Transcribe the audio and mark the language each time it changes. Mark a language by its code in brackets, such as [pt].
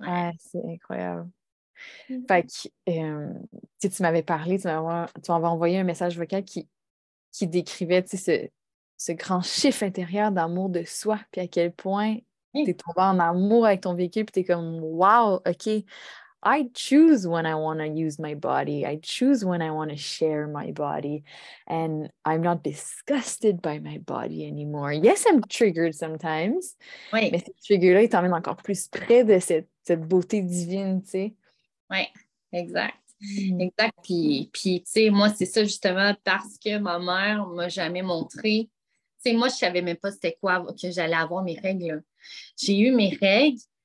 [fr] Ouais, c'est incroyable. Mm-hmm. Fait que, tu m'avais parlé, tu m'avais envoyé un message vocal qui décrivait, tu sais, ce grand chiffre intérieur d'amour de soi, puis à quel point t'es tombé en amour avec ton véhicule, puis t'es comme, wow, OK. [en] I choose when I want to use my body. I choose when I want to share my body. And I'm not disgusted by my body anymore. Yes, I'm triggered sometimes. [fr] Oui. Mais cette trigger-là, il t'emmène encore plus près de cette beauté divine, tu sais. Oui, exact. Exact. Puis tu sais, moi, c'est ça justement parce que ma mère m'a jamais montré. T'sais, moi, je savais même pas c'était quoi que j'allais avoir mes règles. J'ai eu mes règles.